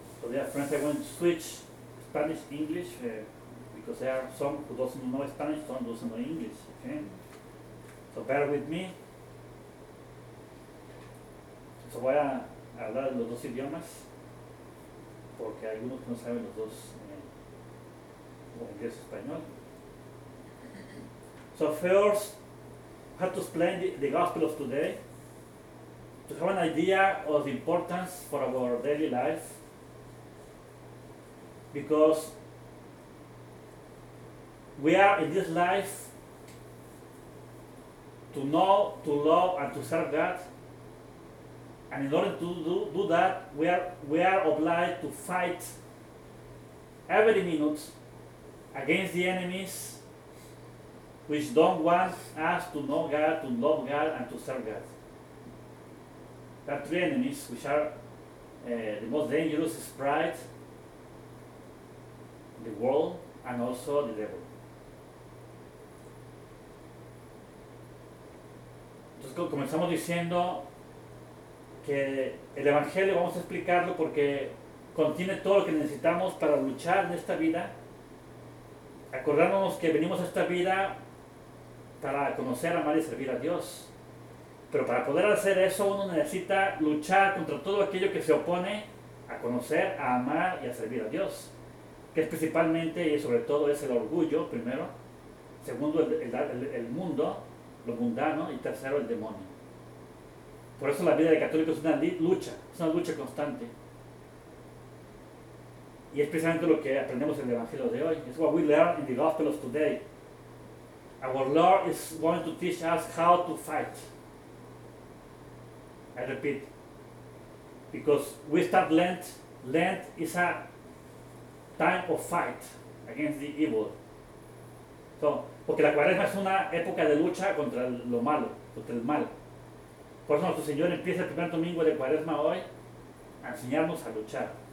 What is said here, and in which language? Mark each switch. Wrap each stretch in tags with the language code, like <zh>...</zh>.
<en>Yeah, friends, I want to switch Spanish English because there are some who doesn't know Spanish, some doesn't know English. Okay, so bear with me.</en> <es>So voy a hablar los dos idiomas porque hay algunos que no saben los dos, inglés y español.</es> <en>So first, I have to explain the gospel of today to have an idea of the importance for our daily life. Because we are in this life to know, to love, and to serve God. And in order to do that, we are obliged to fight every minute against the enemies which don't want us to know God, to love God, and to serve God. There are three enemies which are the most dangerous: is pride, the world, and also the devil.</en> <es>Entonces comenzamos diciendo que el Evangelio vamos a explicarlo porque contiene todo lo que necesitamos para luchar en esta vida. Acordándonos que venimos a esta vida para conocer, amar y servir a Dios. Pero para poder hacer eso, uno necesita luchar contra todo aquello que se opone a conocer, a amar y a servir a Dios. Que es principalmente y sobre todo es el orgullo, primero. Segundo, el mundo, lo mundano. Y tercero, el demonio. Por eso la vida del católico es una lucha, es una lucha constante. Y es precisamente lo que aprendemos en el Evangelio de hoy.</es> <en>It's what we learn in the Gospel of today. Our Lord is going to teach us how to fight. I repeat, because we start Lent. Lent is a time of fight against the evil.</en> <es>So, porque la cuaresma es una época de lucha contra lo malo, contra el mal. Por eso nuestro Señor empieza el primer domingo de cuaresma hoy a enseñarnos a luchar.</es>